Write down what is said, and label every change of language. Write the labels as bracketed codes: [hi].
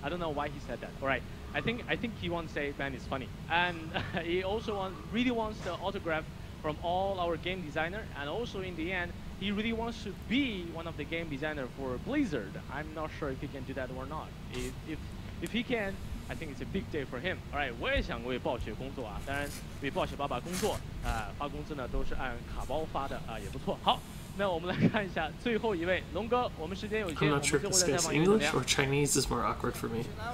[en] I don't know why he said that. All right, I think he wants to say Ben is funny, and he also really wants the autograph from all our game designer, and also in the end, he really wants to be one of the game designer for Blizzard. I'm not sure if he can do that or not. If he can, I think it's a big day for him. [zh] Alright, 我也想为暴雪工作啊，当然为暴雪爸爸工作，发工资呢都是按卡包发的啊，也不错。好，那我们来看一下最后一位龙哥，我们时间有限。 [en] I'm not sure if this guy's English or Chinese is more awkward for me.